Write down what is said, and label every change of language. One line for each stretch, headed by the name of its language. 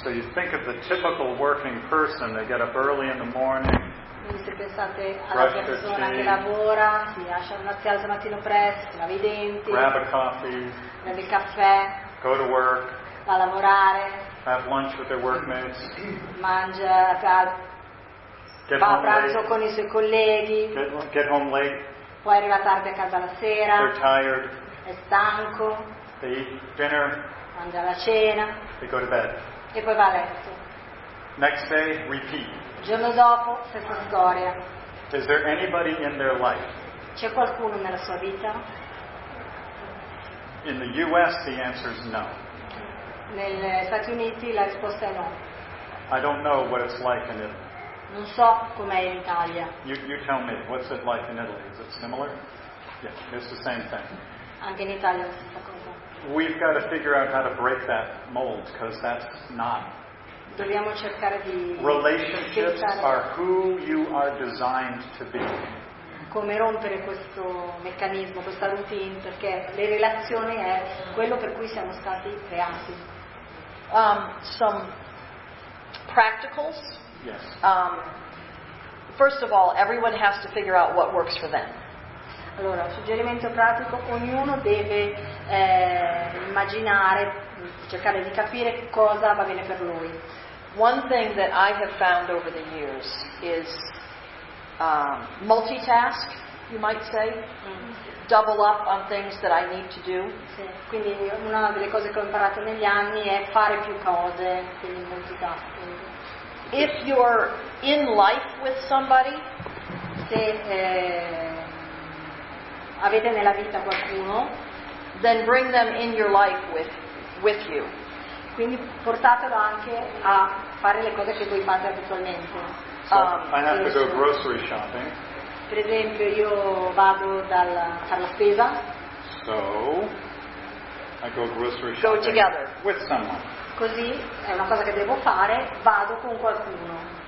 English: So you think of the typical working person, they get up early in the morning.
Italian: Quindi se pensate alla persona che lavora, si alza mattino presto, lava i denti,
English: grab a coffee,
Italian: prende il caffè,
English: go to work,
Italian: va a lavorare,
English: have lunch with their workmates,
Italian: mangia, va a pranzo
English: late
Italian: con i suoi colleghi,
English: get home late,
Italian: poi arriva tardi a casa la sera,
English: they're tired,
Italian: è stanco,
English: they eat dinner,
Italian: mangia la cena,
English: they go to bed,
Italian: e poi va a letto.
English: Next day, repeat.
Italian: Giorno dopo, stessa storia.
English: Is there anybody in their life?
Italian: C'è qualcuno nella sua vita?
English: In the US, the answer is no.
Italian: Negli Stati Uniti la risposta è no.
English: I don't know what it's like in Italy.
Italian: Non so com'è in Italia.
English: You tell me, what's it like in Italy? Is it similar? Yeah, it's the same thing.
Italian: Anche in Italia è la stessa cosa.
English: We've got to figure out how to break that mold, because that's not.
Italian: Dobbiamo cercare di
English: relationships are who you are designed to be.
Italian: Come rompere questo meccanismo, questa routine, perché le relazioni è quello per cui siamo stati creati.
English: Some practicals. Yes. First of all, everyone has to figure out what works for them.
Italian: Allora, suggerimento pratico, ognuno deve immaginare, cercare di capire cosa va bene per lui.
English: One thing that I have found over the years is multitask, you might say, double up on things that I need to do.
Italian: Sì. Quindi una delle cose che ho imparato negli anni è fare più cose, quindi multitask.
English: If you're in life with somebody,
Italian: se avete nella vita qualcuno,
English: then bring them in your life with you.
Italian: Quindi portatelo anche a fare le cose che voi fate abitualmente.
English: I have to go grocery shopping.
Italian: Per esempio, io vado dal fare la spesa.
English: So, I go grocery shopping with someone.
Italian: Così è una cosa che devo fare, vado con qualcuno.